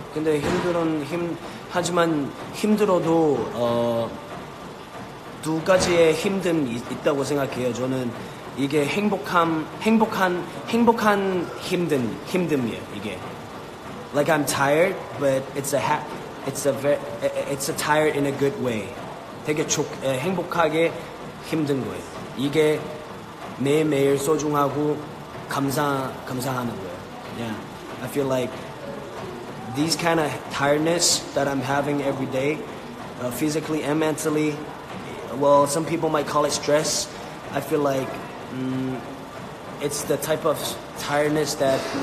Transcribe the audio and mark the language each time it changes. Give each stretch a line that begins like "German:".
Korean: 근데 하지만 힘들어도 두 가지의 힘듦 있다고 생각해요. 저는 이게 행복한 힘듦이에요. 이게.
English: Like I'm tired, but it's a tired in a good way.
Korean: 되게 행복하게 힘든 거예요. 이게 매일 소중하고 감사하는 거예요.
English: Yeah, I feel like these kind of tiredness that I'm having every day, physically and mentally. Well, some people might call it stress. I feel like it's the type of tiredness that.